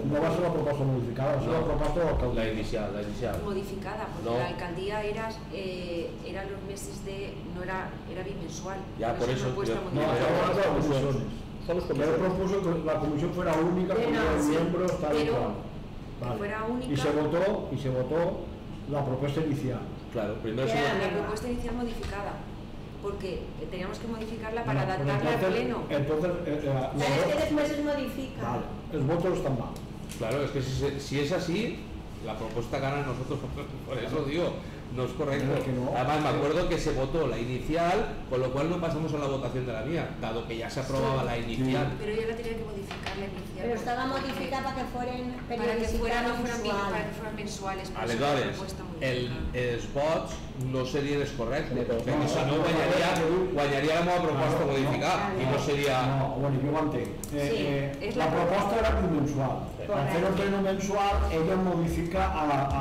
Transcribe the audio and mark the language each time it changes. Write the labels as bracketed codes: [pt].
[ca] No va ser la proposta modificada, va ser la proposta de l'alcaldia. La inicial. [es] Modificada, perquè l'alcaldia era los meses de... no era bimensual. Ja, por eso... No, estaba en las comissions. Yo propuso que la comisión fuera única, pero el miembro está de acuerdo. Vale. Fuera única. Y se votó la propuesta inicial. Claro, primero se votó. La propuesta inicial modificada. Porque teníamos que modificarla para adaptarla al pleno. Entonces, pero es que después se modifica. Vale, el voto está mal. Claro, es que si es así, la propuesta gana nosotros. Por eso digo, no es correcto. Además, me acuerdo que se votó la inicial, con lo cual no pasamos a la votación de la mía, dado que ya se aprobaba la inicial. Pero yo la tenía que modificar, la inicial. Pero estaba modificada para que fueran periodicidades mensuales. [ca] Aleshores, els vots no serien els correctes, perquè si no guanyaria la meva proposta modificada i no seria... Bueno, jo ho entenc. La proposta era mensual. Al fer [es] el pleno mensual, ella modifica a la...